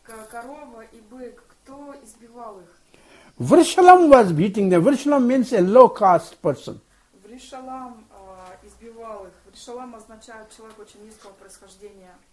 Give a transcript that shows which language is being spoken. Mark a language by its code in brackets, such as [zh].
[ru] Корова и бык, кто избивал их? [en] Vrishalam was beating them. Vrishalam means a low caste person. [ru] Vrishalam избивал их. Vrishalam означает человек очень низкого происхождения.